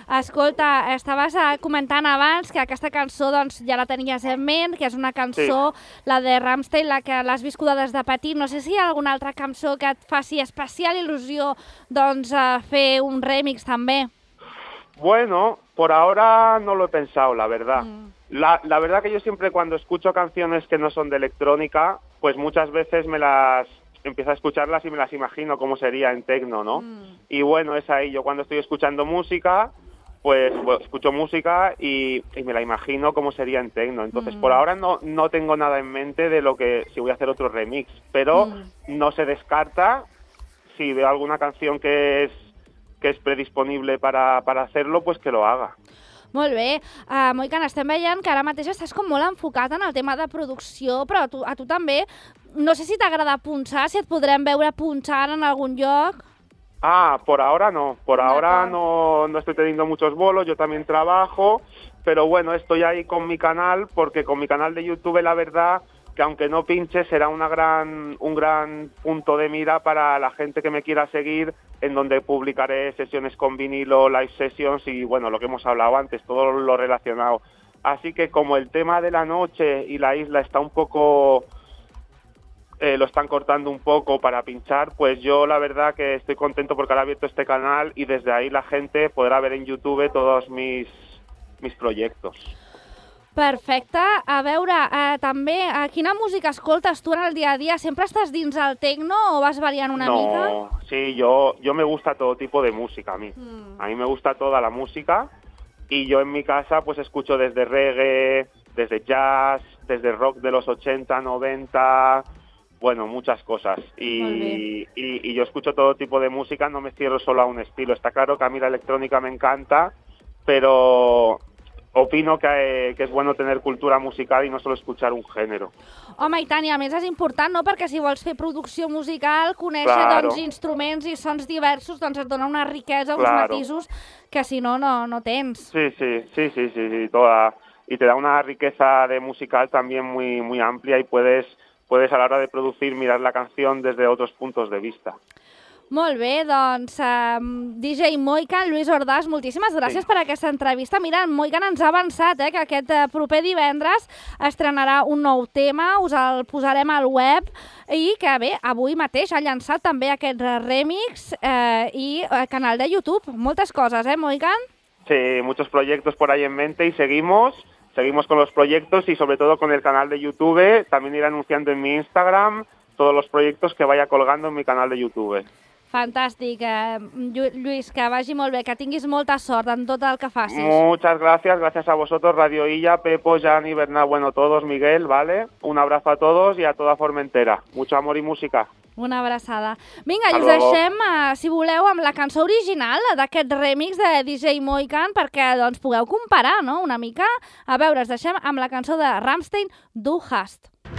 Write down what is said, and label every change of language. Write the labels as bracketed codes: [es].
[ca] Escolta, estaves comentant abans que aquesta cançó doncs, ja la tenies en ment, que és una cançó, sí. la de Rammstein, la que l'has viscut des de petit. No sé si hi ha alguna altra cançó que et faci especial il·lusió doncs, fer un remix també. [es] Bueno, por ahora no lo he pensado, la verdad. La verdad que yo siempre cuando escucho canciones que no son de electrónica, pues muchas veces empiezo a escucharlas y me las imagino cómo sería en tecno, ¿no? Y bueno, es ahí. Yo cuando estoy escuchando música, pues escucho música y me la imagino cómo sería en tecno. Entonces, por ahora no tengo nada en mente de lo que si voy a hacer otro remix, pero no se descarta si veo alguna canción que [ca] és [es] predisponible per hacerlo, pues que lo haga. [ca] Molt bé. Moican, estem veient que ara mateix estàs com molt enfocat en el tema de producció, però a tu també, no sé si t'agrada punxar, si et podrem veure punxant en algun lloc. [es] Ah, por ahora no. Por ahora no estoy teniendo muchos bolos, yo también trabajo, pero bueno, estoy ahí con mi canal, porque con mi canal de YouTube, la verdad, que aunque no pinche, será un gran punto de mira para la gente que me quiera seguir, en donde publicaré sesiones con vinilo, live sessions y, bueno, lo que hemos hablado antes, todo lo relacionado. Así que como el tema de la noche y la isla está un poco... lo están cortando un poco para pinchar, pues yo la verdad que estoy contento porque han abierto este canal y desde ahí la gente podrá ver en YouTube todos mis proyectos. [ca] Perfecte. A veure, també, quina música escoltes tu en el dia a dia? Sempre estàs dins el tecno o vas variant una no, mica? [es] No, sí, yo me gusta todo tipo de música a mí. A mí me gusta toda la música y yo en mi casa pues escucho desde reggae, desde jazz, desde rock de los 80, 90, bueno, muchas cosas. Y yo escucho todo tipo de música, no me cierro solo a un estilo. Está claro que a mí la electrónica me encanta, pero... Opino que és bueno [ca] tenir [es] cultura musical i no solo escuchar un género. [ca] Home, i tant, i a més és important, no?, perquè si vols fer producció musical, conèixer, [es] claro. [ca] doncs, instruments i sons diversos, doncs et dona una riquesa, uns [es] claro. [ca] matisos, que si no, no tens. [es] Sí, toda. Y te da una riqueza de musical también muy, muy amplia y puedes a la hora de producir mirar la canción desde otros puntos de vista. [ca] Molt bé, doncs DJ Moican, Lluís Ordàs, moltíssimes gràcies sí. per aquesta entrevista. Mira, en Moican ens ha avançat que aquest proper divendres estrenarà un nou tema, us el posarem al web i que bé, avui mateix ha llançat també aquest remix i el canal de YouTube. Moltes coses, Moican? [es] Sí, muchos proyectos por ahí en mente y seguimos con los proyectos y sobre todo con el canal de YouTube, también iré anunciando en mi Instagram todos los proyectos que vaya colgando en mi canal de YouTube. [ca] Fantàstic. Lluís, que vagi molt bé, que tinguis molta sort en tot el que facis. [es] Muchas gracias, gracias a vosotros, Radio Illa, Pepo, Jan y Bernat, bueno, todos, Miguel, ¿vale? Un abrazo a todos y a toda Formentera. Mucho amor y música. [ca] Una abraçada. Vinga, i us deixem, si voleu, amb la cançó original d'aquest remix de DJ Moikan perquè doncs pugueu comparar, no?, una mica. A veure, us deixem amb la cançó de Rammstein, Du hast.